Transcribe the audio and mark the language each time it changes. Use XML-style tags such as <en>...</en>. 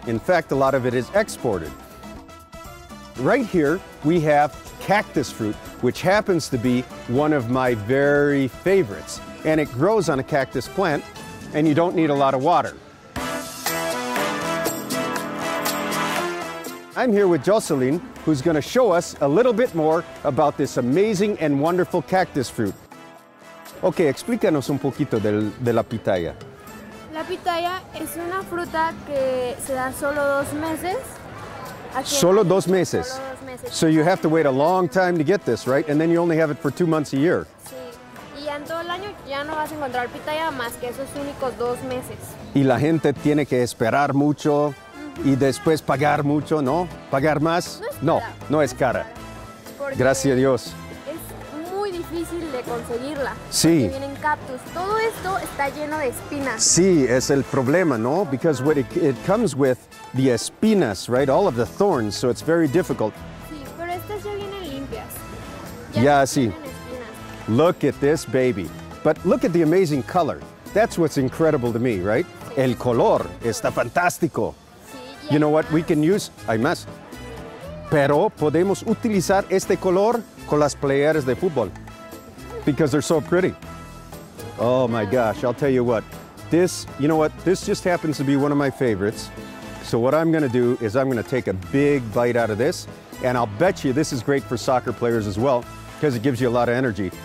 <en>In fact, a lot of it is exported. Right here, we have cactus fruit, which happens to be one of my very favorites. And it grows on a cactus plant, and you don't need a lot of water. I'm here with Jocelyn, who's going to show us a little bit more about this amazing and wonderful cactus fruit.</en> <es>Okay, explícanos un poquito de la pitaya. La pitaya es una fruta que se da solo 2 meses. Solo 2 meses. Solo 2 meses.</es> <en>So you have to wait a long time to get this, right? And then you only have it for 2 months a year.</en> <es>Sí. Y en todo el año ya no vas a encontrar pitaya más que esos únicos 2 meses. Y la gente tiene que esperar mucho. Y después pagar mucho, ¿no? ¿Pagar más? No es cara. Gracias a Dios. Es muy difícil de conseguirla. Sí. Porque vienen cactus. Todo esto está lleno de espinas. Sí, es el problema, ¿no?</es> <en>Because what it comes with the espinas, right? All of the thorns, so it's very difficult.</en> <es>Sí, pero estas ya vienen limpias. Ya no tienen espinas.</es> <en>Look at this baby. But look at the amazing color. That's what's incredible to me, right?</en> <es>Sí. El color está fantástico.</es> <en>You know what, we can use,</en> <es>hay más. Pero podemos utilizar este color con las playeras de fútbol.</es> <en>Because they're so pretty. Oh my gosh, I'll tell you what. This just happens to be one of my favorites. So what I'm gonna do is I'm gonna take a big bite out of this. And I'll bet you this is great for soccer players as well, because it gives you a lot of energy.</en>